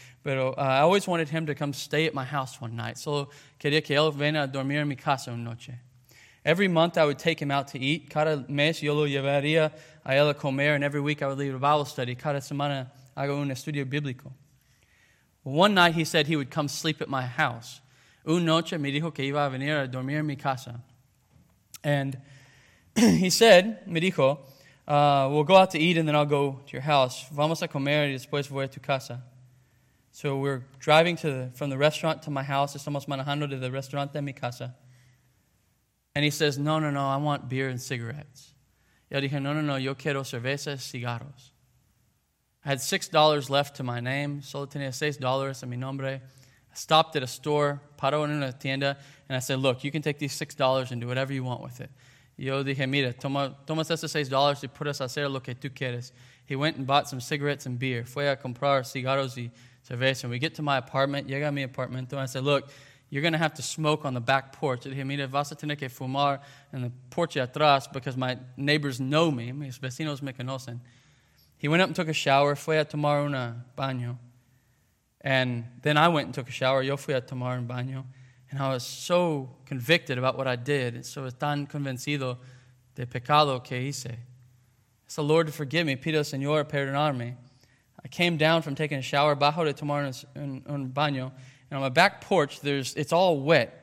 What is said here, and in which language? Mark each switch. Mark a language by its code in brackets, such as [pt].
[es] Pero [en] I always wanted him to come stay at my house one night. [es] Solo quería que él venga a dormir en mi casa una noche. [en] Every month I would take him out to eat. [es] Cada mes yo lo llevaría a él a comer, [en] and every week I would lead a Bible study. [es] Cada semana hago un estudio bíblico. [en] One night he said he would come sleep at my house. [es] Una noche me dijo que iba a venir a dormir en mi casa. [en] And he said, [es] me dijo, [en] we'll go out to eat and then I'll go to your house. [es] Vamos a comer y después voy a tu casa. [en] So we're driving from the restaurant to my house. [es] Estamos manejando de la restaurante a mi casa. [en] And he says, no, no, no, I want beer and cigarettes. [es] Yo dije, no, no, no, yo quiero cerveza y cigarros. [en] I had $6 left to my name. [es] Solo tenía $6 a mi nombre. [en] I stopped at a store, [es] paro en una tienda, [en] and I said, look, you can take these $6 and do whatever you want with it. [es] Yo dije, mira, tomas esos $6 y puedes hacer lo que tú quieres. [en] He went and bought some cigarettes and beer. [es] Fue a comprar cigarros y cerveza. [en] And we get to my apartment. [es] Llega a mi apartamento. [en] And I said, look, you're going to have to smoke on the back porch. [es] Dije, mira, vas a tener que fumar en el porche atrás [en] because my neighbors know me. [es] Mis vecinos me conocen. [en] He went up and took a shower. [es] Fue a tomar un baño. [en] And then I went and took a shower. [es] Yo fui a tomar un baño. [en] And I was so convicted about what I did. [es] So tan convencido de pecado que hice. [en] I said, Lord, forgive me. [es] Pido, Señor, perdonarme. [en] I came down from taking a shower. [es] Bajo de tomar un baño. [en] And on my back porch, it's all wet.